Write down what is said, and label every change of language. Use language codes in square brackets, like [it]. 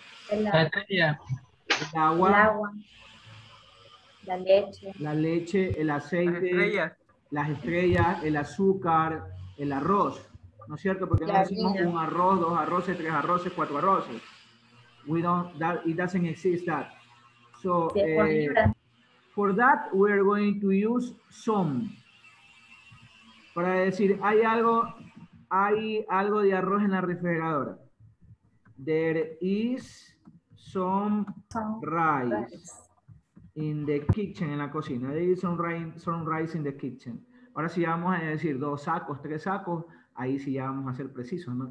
[es] El agua. El agua. La leche, el aceite, las estrellas, el azúcar, el arroz, ¿no es cierto? Porque no decimos un arroz, dos arroces, tres arroces, cuatro arroces. [en] It doesn't exist that. So, for that, we're going to use some. [es] Para decir, hay algo de arroz en la refrigeradora. [en] There is some rice. In the kitchen, [es] en la cocina. [en] There is some rice in the kitchen. [es] Ahora sí vamos a decir dos sacos, tres sacos. Ahí sí ya vamos a ser precisos, ¿no?